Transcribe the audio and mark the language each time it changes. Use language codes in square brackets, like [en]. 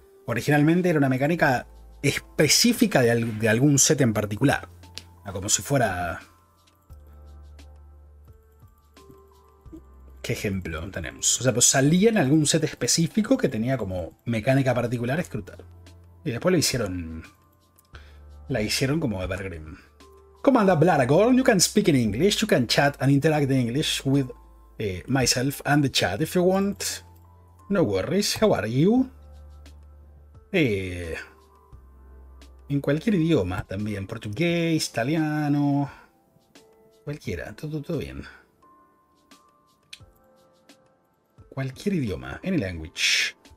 [es] Originalmente era una mecánica específica de algún set en particular. Como si fuera... ¿qué ejemplo tenemos? O sea, pues salía en algún set específico que tenía como mecánica particular escrutar. Y después lo hicieron... la hicieron como Evergreen. ¿Cómo anda [en] Blaragorn? You can speak in English. You can chat and interact in English with myself and the chat if you want. No worries. How are you? [es] En cualquier idioma también. Portugués, italiano. Cualquiera. Todo bien. Cualquier idioma. [en] Any language.